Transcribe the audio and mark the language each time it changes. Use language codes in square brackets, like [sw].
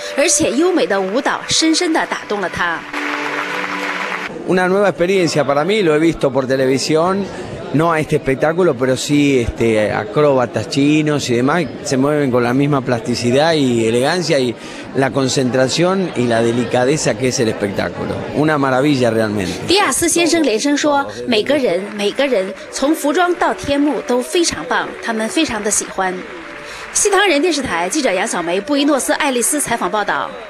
[zh] 在政府部门工作的罗巴托先生边看演出边落泪，他说自己多次跑到卫生间去整理情绪。他表示，神韵所展现的精神不仅让他想起了25年前阿根廷人民反抗独裁的运动，而且优美的舞蹈深深地打动了他。 [es] Una nueva experiencia para mí, lo he visto por televisión, no a este espectáculo, pero sí acróbatas chinos y demás, se mueven con la misma plasticidad y elegancia y la concentración y la delicadeza que es el espectáculo. Una maravilla realmente. [zh] 迪亚斯先生连声说，每个人从服装到天幕都非常棒，他们非常的喜欢。西唐人电视台记者杨小梅，布宜诺斯艾利斯采访报道。